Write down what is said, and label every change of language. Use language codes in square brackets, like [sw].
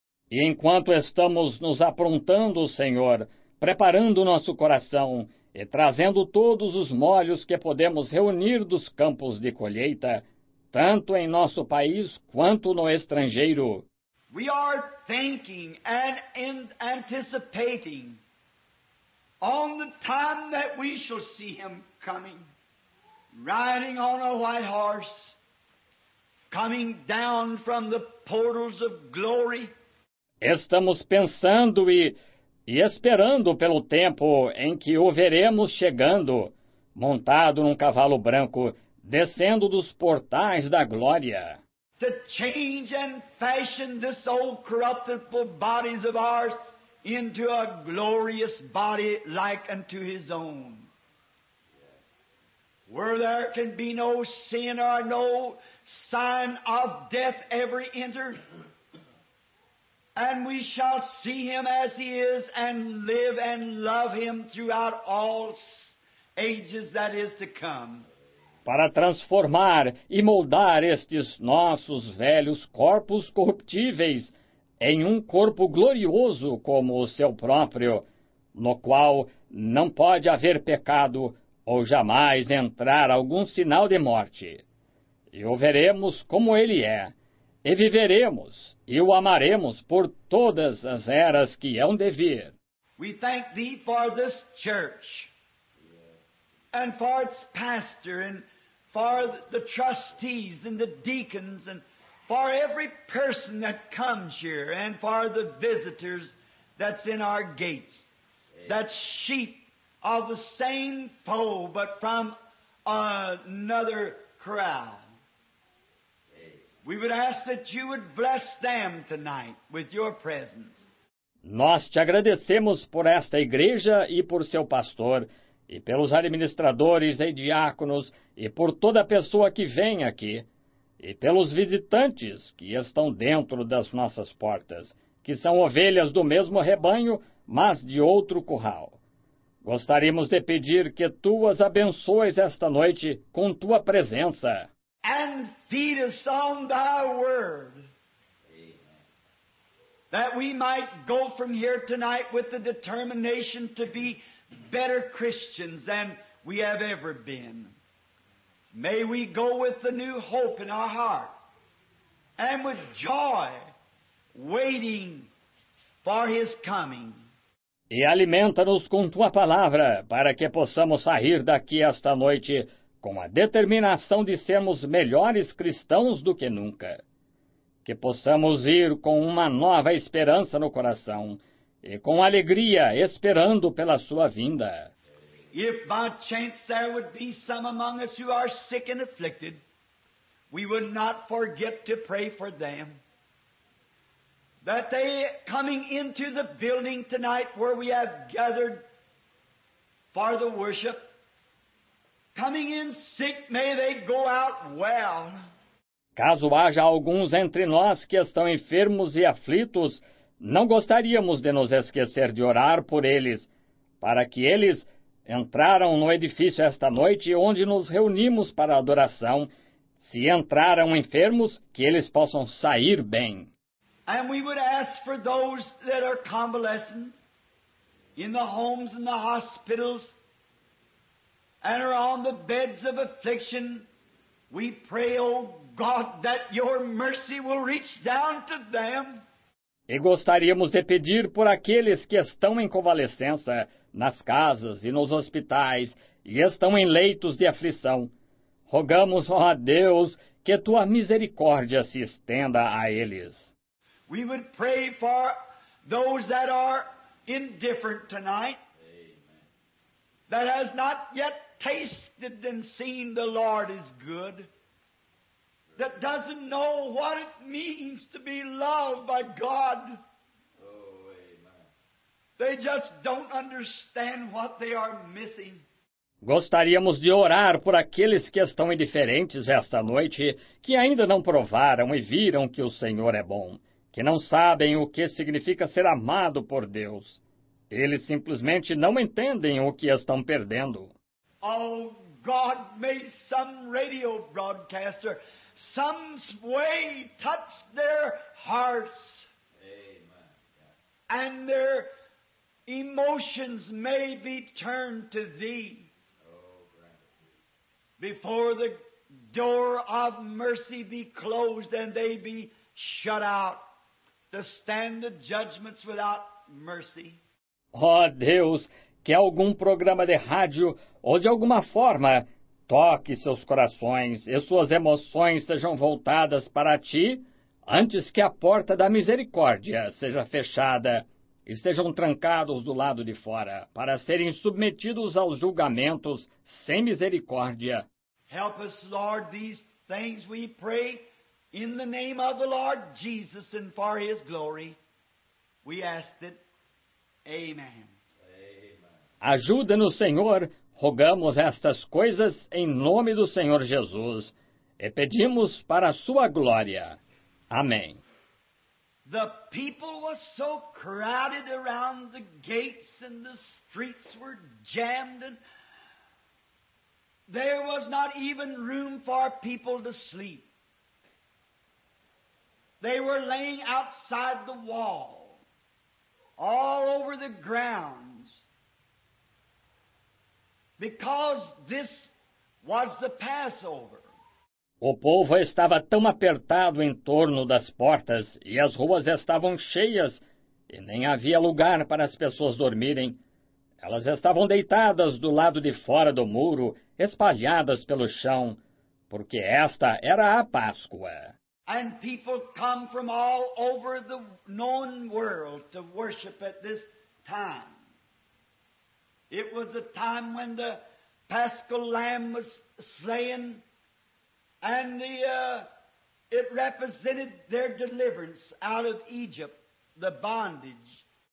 [pt] E enquanto estamos nos aprontando, Senhor, preparando o nosso coração e trazendo todos os molhos que podemos reunir dos campos de colheita, tanto em nosso país quanto no estrangeiro. [en] We are thinking and anticipating on the time that we shall see him coming, riding on a white horse, coming down from the portals of glory. [pt] Estamos pensando e esperando pelo tempo em que o veremos chegando, montado num cavalo branco, descendo dos portais da glória. [en] To change and fashion this old corruptible bodies of ours into a glorious body like unto his own. Where there can be no sin or no sign of death ever enter. And we shall see him as he is and live and love him throughout all ages that is to come. [pt] Para transformar e moldar estes nossos velhos corpos corruptíveis em um corpo glorioso como o seu próprio, no qual não pode haver pecado ou jamais entrar algum sinal de morte. E o veremos como ele é, e viveremos e o amaremos por todas as eras que hão de vir. [en] We thank thee for this church and for its pastor and for the trustees and the deacons and for every person that comes here and for the visitors that's in our gates. That's sheep of the same fold but from another corral. We would ask that you would bless them tonight with your presence. [pt] Nós te agradecemos por esta igreja e por seu pastor, e pelos administradores e diáconos, e por toda pessoa que vem aqui, e pelos visitantes que estão dentro das nossas portas, que são ovelhas do mesmo rebanho, mas de outro curral. Gostaríamos de pedir que tu as abençoes esta noite com tua presença. [en] And feed us on thy word. Amen. That we might go from here tonight with the determination to be better Christians than we have ever been. May we go with the new hope in our heart and with joy waiting for his coming. [pt] E alimenta-nos com tua palavra para que possamos sair daqui esta noite com a determinação de sermos melhores cristãos do que nunca. Que possamos ir com uma nova esperança no coração e com alegria esperando pela sua vinda. [en] If by chance there would be some among us who are sick and afflicted, we would not forget to pray for them. That they coming into the building tonight where we have gathered for the worship, coming in sick, may they go out well. [pt] Caso haja alguns entre nós que estão enfermos e aflitos, não gostaríamos de nos esquecer de orar por eles, para que eles entraram no edifício esta noite onde nos reunimos para a adoração. Se entraram enfermos, que eles possam sair bem. [en] And we would ask for those that are convalescent in the homes and the hospitals and are on the beds of affliction. We pray, O God, that your mercy will reach down to them. [pt] E gostaríamos de pedir por aqueles que estão em convalescença nas casas e nos hospitais e estão em leitos de aflição. Rogamos, ó Deus, que tua misericórdia se estenda a eles. [en] We would pray for those that are indifferent tonight. Amen. That has not yet tasted and seen the Lord is good. That doesn't know what it means to be loved by God. Oh, amen. They just don't understand what they are missing. [pt] Gostaríamos de orar por aqueles que estão indiferentes esta noite, que ainda não provaram e viram que o Senhor é bom, que não sabem o que significa ser amado por Deus. Eles simplesmente não entendem o que estão perdendo. [en] Oh, God, may some radio broadcaster, some way touch their hearts. Amen. And their emotions may be turned to Thee. Oh, gratitude. Before the door of mercy be closed and they be shut out. To stand the judgments without mercy. [pt] Oh, Deus, que algum programa de rádio ou de alguma forma toque seus corações e suas emoções sejam voltadas para Ti antes que a porta da misericórdia seja fechada e estejam trancados do lado de fora para serem submetidos aos julgamentos sem misericórdia. [en] Help us, Lord, these things we pray. In the name of the Lord Jesus and for His glory, we ask it. Amen. Amen. [pt] Ajuda-nos, Senhor, rogamos estas coisas em nome do Senhor Jesus e pedimos para a Sua glória. Amém. [en] The people were so crowded around the gates and the streets were jammed and there was not even room for people to sleep. They were laying outside the wall, all over the grounds, because this was the Passover. [pt] O povo estava tão apertado em torno das portas e as ruas estavam cheias e nem havia lugar para as pessoas dormirem. Elas estavam deitadas do lado de fora do muro, espalhadas pelo chão, porque esta era a Páscoa. [en] And people come from all over the known world to worship at this time. It was a time when the Paschal Lamb was slain, and it represented their deliverance out of Egypt, the bondage.